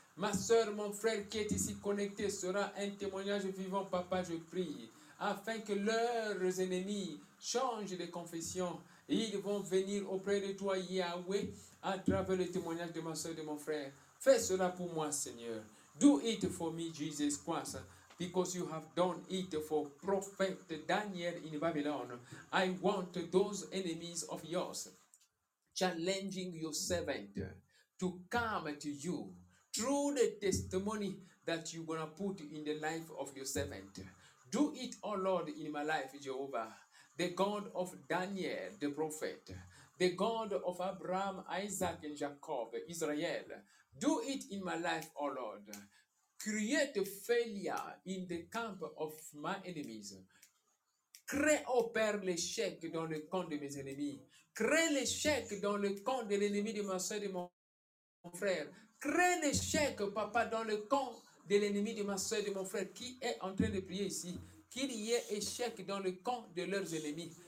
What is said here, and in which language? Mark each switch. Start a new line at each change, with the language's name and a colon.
French: Ma soeur, mon frère, qui est ici connecté, sera un témoignage vivant, Papa, je prie. Afin que leurs ennemis changent de confession. Ils vont venir auprès de toi, Yahweh, à travers le témoignage de ma soeur et de mon frère. Fais cela pour moi, Seigneur.
English: Do it for me, Jesus Christ. Because you have done it for prophet Daniel in Babylon. I want those enemies of yours challenging your servant to come to you through the testimony that you're going to put in the life of your servant. Do it, O Lord, in my life, Jehovah, the God of Daniel, the prophet, the God of Abraham, Isaac, and Jacob, Israel. Do it in my life, O Lord. Create failure in the camp of my enemies.
French: Opère l'échec dans le camp de mes ennemis. Crée l'échec dans le camp de l'ennemi de ma soeur et de mon frère. Crée l'échec, Papa, dans le camp de l'ennemi de ma soeur et de mon frère. Qui est en train de prier ici? Qu'il y ait échec dans le camp de leurs ennemis.